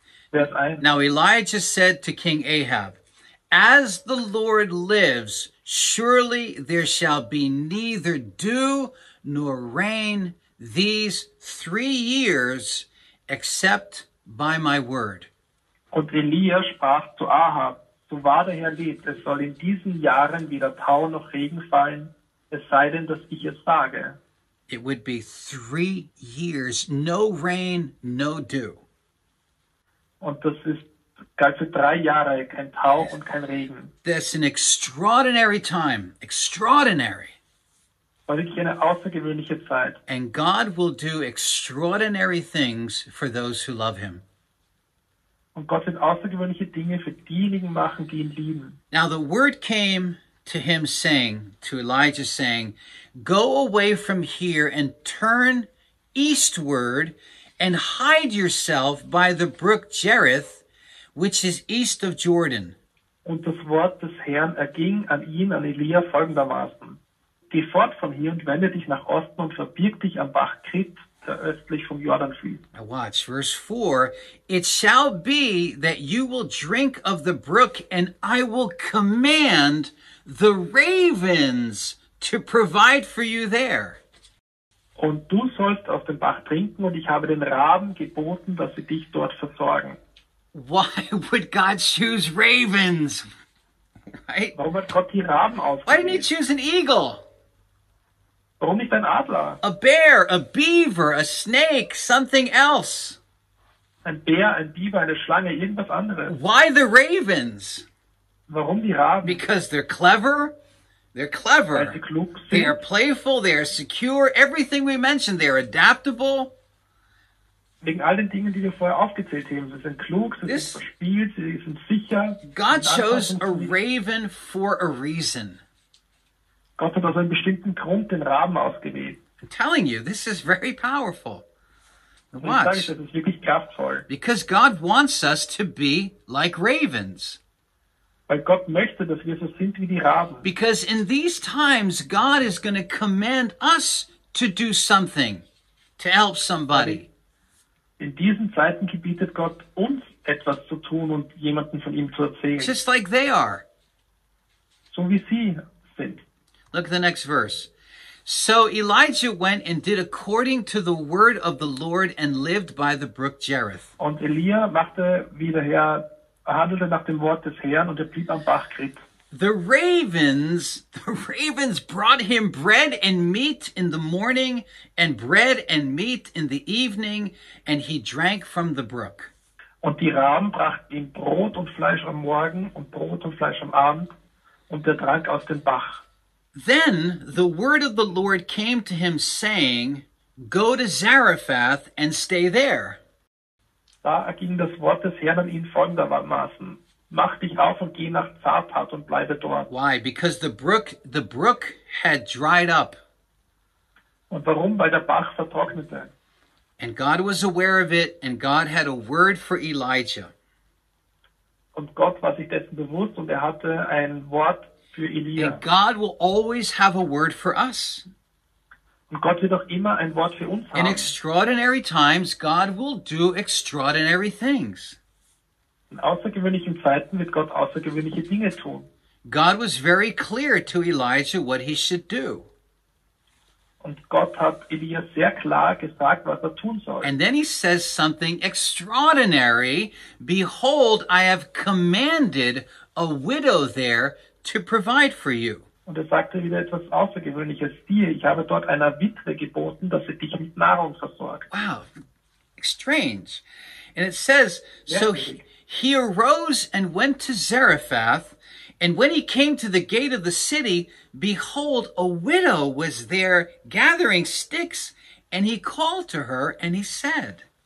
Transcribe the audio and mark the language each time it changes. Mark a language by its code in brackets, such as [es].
[de] Vers 1. [en] Now Elijah said to King Ahab, "As the Lord lives, surely there shall be neither dew nor rain these 3 years, except by my word." [de] Und Elia sprach zu Ahab, so wahr der Herr lebt, es soll in diesen Jahren weder Tau noch Regen fallen, es sei denn, dass ich es sage. [en] It would be 3 years, no rain, no dew. [de] Und das ist ganze 3 Jahre, kein Tau und kein Regen. [en] That's an extraordinary time, extraordinary. [de] Eine außergewöhnliche Zeit. [en] And God will do extraordinary things for those who love him. [de] Und Gott wird außergewöhnliche Dinge für diejenigen machen, die ihn lieben. [en] Now the word came to him saying, to Elijah saying, "Go away from here and turn eastward and hide yourself by the brook Cherith, which is east of Jordan." [de] Und das Wort des Herrn erging an ihn, an Elia, folgendermaßen. Geh fort von hier und wende dich nach Osten und verbirg dich am Bach Krit, der östlich vom Jordan fließt. [en] Now watch, verse 4. "It shall be that you will drink of the brook, and I will command the ravens to provide for you there." [de] Und du sollst aus dem Bach trinken, und ich habe den Raben geboten, dass sie dich dort versorgen. [en] Why would God choose ravens? Right? [de] Warum hat Gott die Raben ausgewählt? [en] Why didn't he choose an eagle? [de] Warum nicht ein Adler? [en] A bear, a beaver, a snake, something else. [de] Ein Bär, ein Biber, eine Schlange, irgendwas anderes. [en] Why the ravens? [de] Warum die Raben? [en] Because they're clever. They're clever. [de] Weil sie klug sind. [en] They are playful, they are secure. Everything we mentioned, they are adaptable. [de] Wegen all den Dingen, die wir vorher aufgezählt haben. Sie sind klug, sie sind verspielt, sie sind sicher. [en] God chose a raven for a reason. [de] Gott hat aus einem bestimmten Grund den Raben ausgewählt. [en] I'm telling you, this is very powerful. Watch. [de] Ich sage, das ist wirklich kraftvoll. [en] Because God wants us to be like ravens. [de] Weil Gott möchte, dass wir so sind wie die Raben. [en] Because in these times, God is going to command us to do something, to help somebody. [de] In diesen Zeiten gebietet Gott uns etwas zu tun und jemanden von ihm zu erzählen. [en] Just like they are. [de] So wie sie sind. [en] Look at the next verse. "So Elijah went and did according to the word of the Lord and lived by the brook Cherith." [de] Und Elia machte wie der Herr, handelte nach dem Wort des Herrn und blieb am Bach Krit. [en] The ravens brought him bread and meat in the morning and bread and meat in the evening, and he drank from the brook. [de] Und die Raben brachten ihm Brot und Fleisch am Morgen und Brot und Fleisch am Abend, und er trank aus dem Bach. [en] Then the word of the Lord came to him saying, "Go to Zarephath and stay there." [de] Da erging das Wort des Herrn an ihn folgendermaßen. Mach dich auf und geh nach Zarephath und bleibe dort. [en] Why? Because the brook had dried up. [de] Und warum? Weil der Bach vertrocknete. [en] And God was aware of it, and God had a word for Elijah. [de] Und Gott war sich dessen bewusst, und er hatte ein Wort für Elia. [en] And God will always have a word for us. [de] Und Gott wird auch immer ein Wort für uns haben. [en] In extraordinary times, God will do extraordinary things. [de] In außergewöhnlichen Zeiten wird Gott außergewöhnliche Dinge tun. [en] God was very clear to Elijah what he should do. [de] Und Gott hat Elia sehr klar gesagt, was er tun soll. [en] And then he says something extraordinary. "Behold, I have commanded a widow there to provide for you." [de] Und er sagte wieder etwas Außergewöhnliches. "Siehe, ich habe dort einer Witwe geboten, dass sie dich mit Nahrung versorgt." [en] Wow, strange. And it says, so he arose and went to Zarephath. And when he came to the gate of the city, behold, a widow was there gathering sticks. And he called to her and he said.